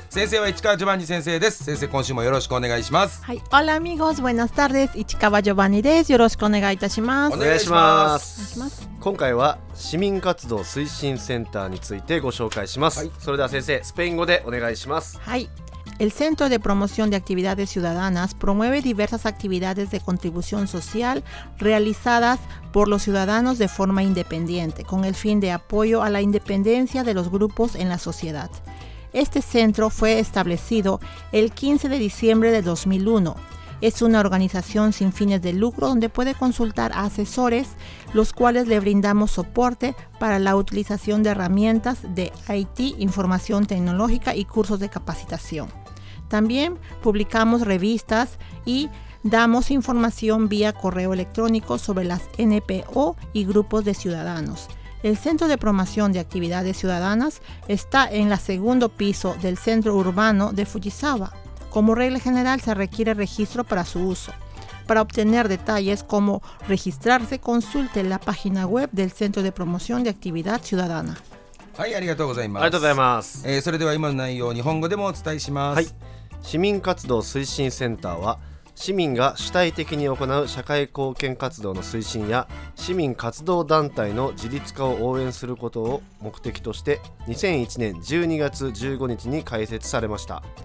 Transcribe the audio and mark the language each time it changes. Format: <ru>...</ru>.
<ja>先生は市川ジョバンニ先生です。先生、今週もよろしくお願いします。はい、</ja> <es>オラアミゴス、ブエナスタル</es> <ja>です。市川ジョバンニです。よろしくお願いいたします。お願いします。今回は市民活動推進センターについてご紹介します。はい、それでは先生、スペイン語でお願いします。はい。</ja> <es>El Centro de Promoción de Actividades Ciudadanas promueve diversas actividades de contribución social realizadas por los ciudadanos de forma independiente, con el fin de apoyo a la independencia de los grupos en la sociedad. Este centro fue establecido el 15 de diciembre de 2001. Es una organización sin fines de lucro donde puede consultar a asesores, los cuales le brindamos soporte para la utilización de herramientas de IT, información tecnológica y cursos de capacitación. También publicamos revistas y damos información vía correo electrónico sobre las NPO y grupos de ciudadanos. El Centro de Promoción de Actividades Ciudadanas está en el segundo piso del centro urbano de Fujisawa. Como regla general, se requiere registro para su uso. Para obtener detalles como registrarse, consulte la página web del Centro de Promoción de Actividad Ciudadana.</es> <ja>はい、ありがとうございます。ありがとうございます。それでは今の内容を日本語でもお伝えします。はい。市民活動推進センターは、市民が主体的に行う社会貢献活動の推進や市民活動団体の自立化を応援することを目的として2001年12月15日に開設されました。</ja>